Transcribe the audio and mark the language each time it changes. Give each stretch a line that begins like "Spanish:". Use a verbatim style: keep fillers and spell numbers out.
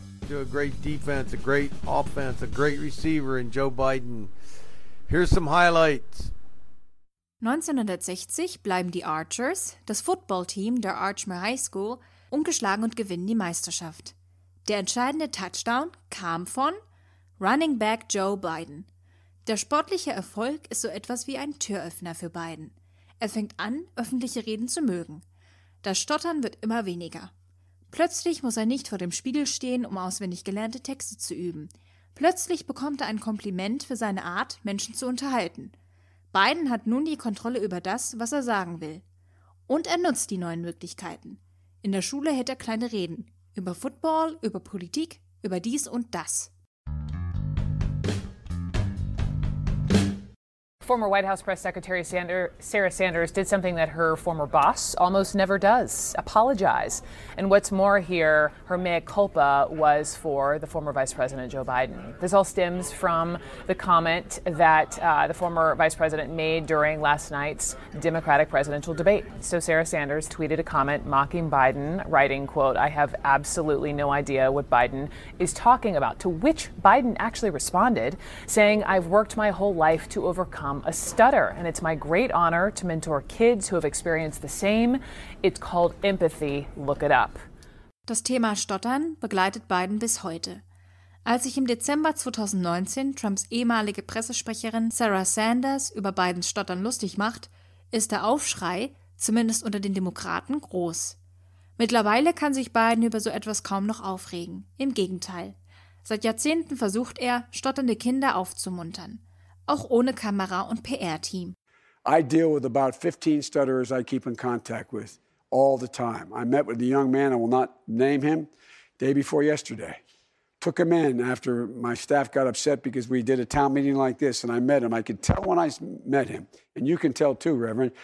English: A great defense, a great offense, a great receiver in Joe Biden. Here's some highlights.
German: neunzehnhundertsechzig bleiben die Archers, das Footballteam der Archmere High School, ungeschlagen und gewinnen die Meisterschaft. Der entscheidende Touchdown kam von Running Back Joe Biden. Der sportliche Erfolg ist so etwas wie ein Türöffner für Biden. Er fängt an, öffentliche Reden zu mögen. Das Stottern wird immer weniger. Plötzlich muss er nicht vor dem Spiegel stehen, um auswendig gelernte Texte zu üben. Plötzlich bekommt er ein Kompliment für seine Art, Menschen zu unterhalten. Biden hat nun die Kontrolle über das, was er sagen will. Und er nutzt die neuen Möglichkeiten. In der Schule hält er kleine Reden. Über Football, über Politik, über dies und das.
English: Former White House Press Secretary Sander, Sarah Sanders did something that her former boss almost never does, apologize. And what's more here, her mea culpa was for the former Vice President Joe Biden. This all stems from the comment that uh, the former Vice President made during last night's Democratic presidential debate. So Sarah Sanders tweeted a comment mocking Biden, writing, quote, "I have absolutely no idea what Biden is talking about," to which Biden actually responded, saying, "I've worked my whole life to overcome a stutter, and it's my great honor to mentor kids who have experienced the same. It's called empathy. Look it up."
German: Das Thema Stottern begleitet Biden bis heute. Als sich im Dezember zwanzig neunzehn Trumps ehemalige Pressesprecherin Sarah Sanders über Bidens Stottern lustig macht, ist der Aufschrei, zumindest unter den Demokraten, groß. Mittlerweile kann sich Biden über so etwas kaum noch aufregen. Im Gegenteil. Seit Jahrzehnten versucht er, stotternde Kinder aufzumuntern. Auch ohne Kamera und P R-Team.
English: I deal with about fifteen stutterers I keep in contact with all the time. I met with a young man, I will not name him, day before yesterday. Took him in after my staff got upset because we did a town meeting like this and I met him. I could tell when I met him, and you can tell too, Reverend.